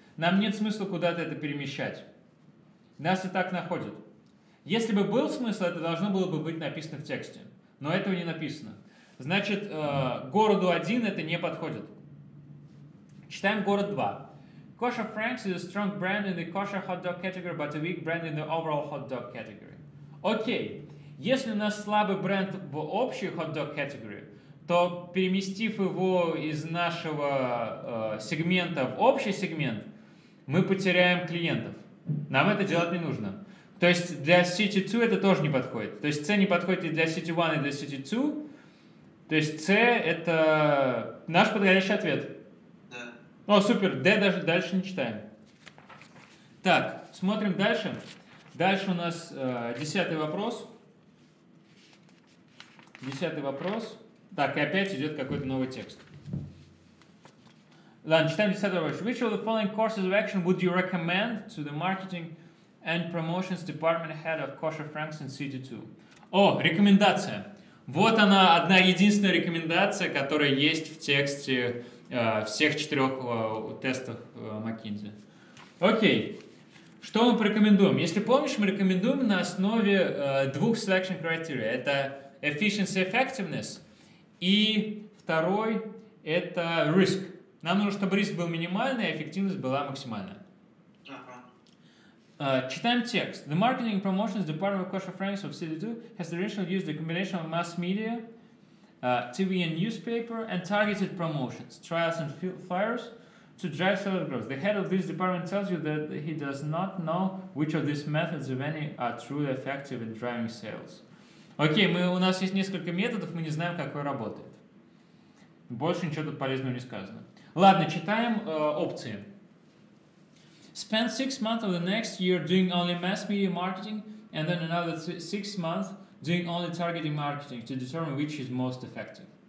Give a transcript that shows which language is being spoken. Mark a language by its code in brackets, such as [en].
[ru] Нам нет смысла куда-то это перемещать. Нас и так находят. Если бы был смысл, это должно было бы быть написано в тексте. Но этого не написано. Значит, городу один это не подходит. Читаем город два. [en] Kosher Franks is a strong brand in the kosher hot dog category, but a weak brand in the overall hot dog category. [ru] Окей. Если у нас слабый бренд в общей hot dog category, то переместив его из нашего сегмента в общий сегмент, мы потеряем клиентов. Нам это делать не нужно. То есть для City 2 это тоже не подходит. То есть C не подходит и для City 1, и для City 2. То есть C это наш подходящий ответ. О, супер, D даже дальше не читаем. Так, смотрим дальше. Дальше у нас десятый вопрос. Десятый вопрос. Так, и опять идет какой-то новый текст. Ладно, читаем десятый вопрос. [en] Which of the following courses of action would you recommend to the marketing and promotions department head of Kosher Franks in CD2? [ru] О, рекомендация. Вот она, одна единственная рекомендация, которая есть в тексте всех четырех тестов McKinsey. Окей. Что мы порекомендуем? Если помнишь, мы рекомендуем на основе двух selection criteria. Это efficiency, effectiveness, и второй это risk. Нам нужно, чтобы риск был минимальный, а эффективность была максимальная. Читаем текст. [en] The marketing and promotions department of Kosher Franks of CD2 has traditionally used a combination of mass media, TV and newspaper, and targeted promotions, trials and flyers to drive seller growth. The head of this department tells you that he does not know which of these methods, if any, are truly effective in driving sales. [ru] Окей, у нас есть несколько методов, мы не знаем, какой работает. Больше ничего тут полезного не сказано. Ладно, читаем опции. [en] Spend 6 months of the next year doing only mass media marketing and then another 6 months doing only targeted marketing to determine which is most effective.